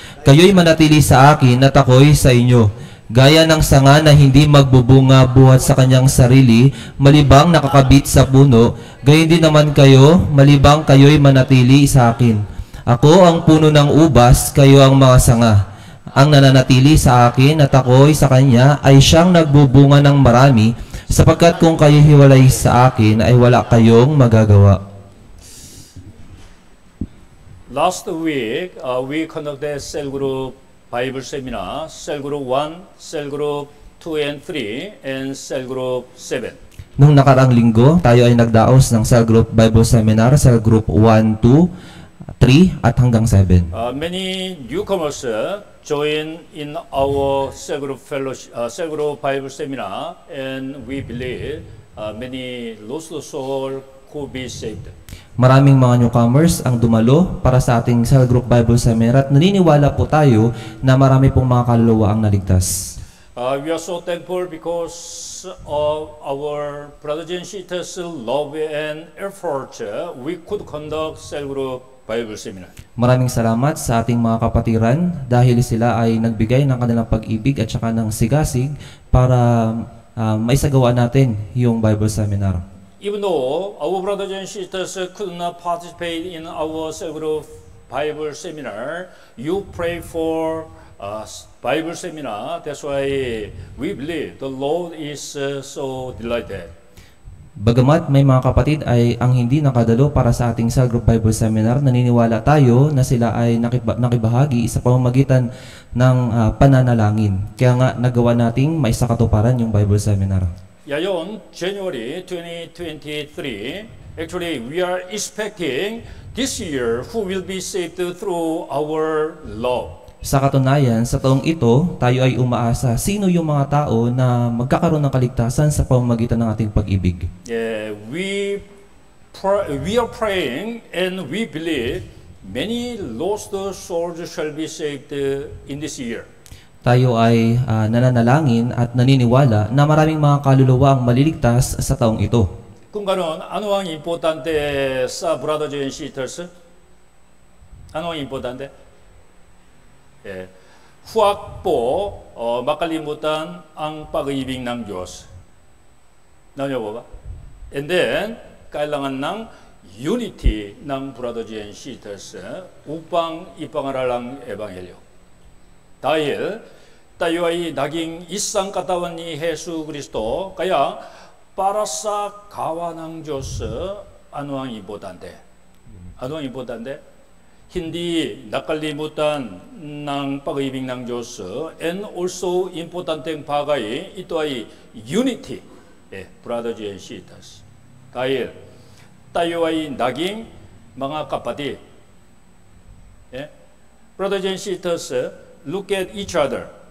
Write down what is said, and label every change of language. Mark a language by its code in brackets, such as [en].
[tl] Kayo'y manatili sa akin at ako'y sa inyo. Gaya ng sanga na hindi magbubunga buhat sa kanyang sarili, malibang nakakabit sa puno, gayon din naman kayo, malibang kayo'y manatili sa akin. Ako ang puno ng ubas, kayo ang mga sanga. Ang nananatili sa akin at ako'y sa kanya ay siyang nagbubunga ng marami, sapagkat kung kayo hiwalay sa akin ay wala kayong magagawa. [en] Last week, we conducted cell group Bible seminar, cell group 1, cell group 2 and 3, and cell group 7. [tl] Nung nakaraang linggo, tayo ay nagdaos ng cell group Bible seminar, cell group 1, 2, 3, at hanggang 7. [en] Many newcomers join in our cell group fellowship, cell group Bible seminar, and we believe many lost souls could be saved. [tl] Maraming mga newcomers ang dumalo para sa ating cell group Bible seminar at naniniwala po tayo na marami pong mga kaluluwa ang naligtas. [en] We are so thankful because of our brothers and sisters' love and effort, we could conduct cell group Bible seminar. [tl] Maraming salamat sa ating mga kapatiran dahil sila ay nagbigay ng kanilang pag-ibig at saka ng sigasig para maisagawa natin yung Bible seminar. [en] Even though our brothers and sisters could not participate in our cell group Bible seminar, you pray for Bible seminar. That's why we believe the Lord is so delighted. [tl] Bagamat may mga kapatid ay ang hindi nakadalo para sa ating cell group Bible seminar, naniniwala tayo na sila ay nakibahagi sa pamamagitan ng pananalangin. Kaya nga nagawa nating maisakatuparan yung Bible seminar. Ngayon, [en] January 2023, actually we are expecting this year who will be saved through our love. [tl] Sa katunayan, sa taong ito, tayo ay umaasa sino yung mga tao na magkakaroon ng kaligtasan sa pamamagitan ng ating pag-ibig. [en] Yeah, we are praying and we believe many lost souls shall be saved in this year. [tl] Tayo ay nananalangin at naniniwala na maraming mga kaluluwa ang maliligtas sa taong ito. Kung ganun, ano ang importante sa [en] brothers and sisters? [tl] Ano ang importante? Eh, huwag po makalimutan ang pag-ibig ng Diyos. Naunyo po ba? [en] And then, [tl] kailangan ng unity ng [en] brothers and sisters [tl] upang ipangaral ang Ebanghelyo. Dahil tayo ay naging isang katawan ni Jesus Kristo, kaya para sa gawa ng Diyos, ano ang importante? Ano ang importante? Hindi nakalimutan ng pag-ibig ng Diyos, [en] and also [tl] importante ang bagay, ito ay unity, eh, [en] brothers and sisters. [tl] Dahil tayo ay naging mga kapatid. [en] Eh, brothers and sisters, look at each other.